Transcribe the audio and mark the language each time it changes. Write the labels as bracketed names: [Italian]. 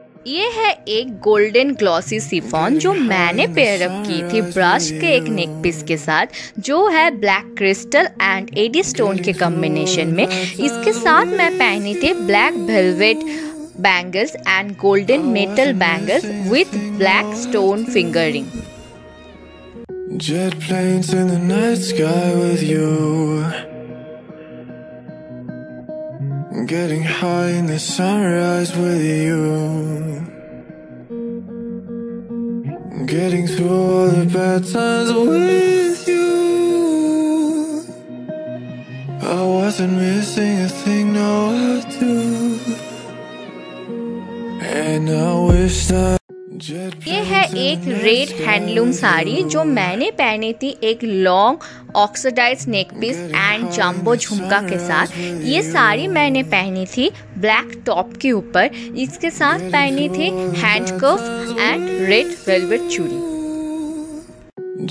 [Hindi] ये है एक गोल्डन ग्लॉसी सिफॉन जो मैंने पेयर अप की थी ब्रश के एक नेक पीस के साथ जो है black crystal and AD stone के कॉम्बिनेशन में। इसके साथ मैं पहनी थी black velvet bangles and golden metal bangles [English] With black stone fingering. Jet planes in the night sky with you, getting high in the sunrise with you, getting through all the bad times with you. I wasn't missing a thing, no I do, and I wish that. [Hindi] ये है एक red handloom sari जो मैंने पहनी थी एक long oxidised neck piece and jumbo झुमका के साथ। ये साड़ी मैंने पहनी थी ब्लैक टॉप के ऊपर। इसके साथ पहनी थी hand cough and red velvet चूड़ी।